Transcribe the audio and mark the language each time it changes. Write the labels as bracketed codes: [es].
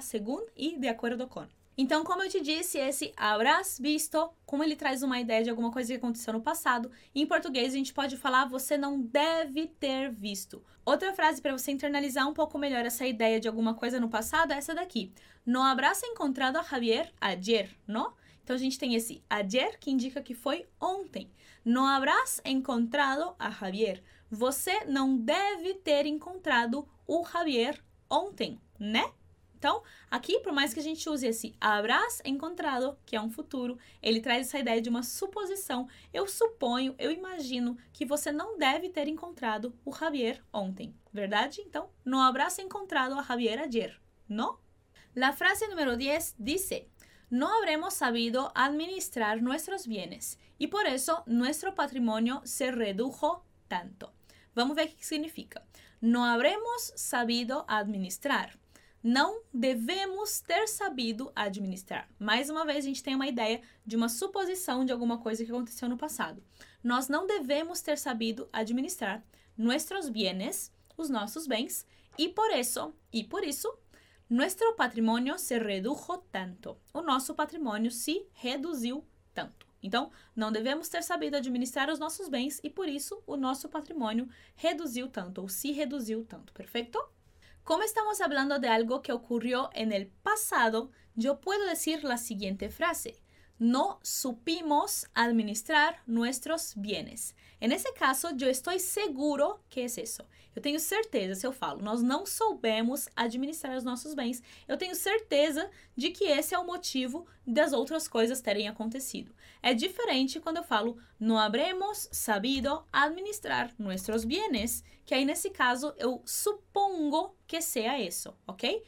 [pt] Segundo e de acordo com. Então, como eu te disse, esse habrás visto, como ele traz uma ideia de alguma coisa que aconteceu no passado, em português a gente pode falar você não deve ter visto. Outra frase para você internalizar um pouco melhor essa ideia de alguma coisa no passado é essa daqui: [es] no habrás encontrado a Javier ayer, no? [pt] Então, a gente tem esse ayer que indica que foi ontem. [es] No habrás encontrado a Javier. [pt] Você não deve ter encontrado o Javier ontem, né? Então, aqui, por mais que a gente use esse habrás encontrado, que é um futuro, ele traz essa ideia de uma suposição. Eu suponho, eu imagino que você não deve ter encontrado o Javier ontem. Verdade? Então, [es] no habrás encontrado a Javier ayer, ¿no? La frase número 10 dice, no habremos sabido administrar nuestros bienes y por eso nuestro patrimonio se redujo tanto. [pt] Vamos ver o que significa. [es] No habremos sabido administrar. [pt] Não devemos ter sabido administrar. Mais uma vez, a gente tem uma ideia de uma suposição de alguma coisa que aconteceu no passado. Nós não devemos ter sabido administrar [es] nuestros bienes, [pt] os nossos bens, e por isso, [es] nuestro patrimonio se redujo tanto. [pt] O nosso patrimônio se reduziu tanto. Então, não devemos ter sabido administrar os nossos bens, e por isso, o nosso patrimônio reduziu tanto, ou se reduziu tanto, perfeito? [es] Como estamos hablando de algo que ocurrió en el pasado, yo puedo decir la siguiente frase. No supimos administrar nuestros bienes. En ese caso, yo estoy seguro que es eso. Yo tengo certeza, [pt] si yo falo, nós não soubemos administrar os nossos bens, eu tenho certeza de que esse é o motivo das outras coisas terem acontecido. É diferente quando eu falo, [es] no habremos sabido administrar nuestros bienes, [pt] que aí nesse caso eu supongo que seja isso, ok?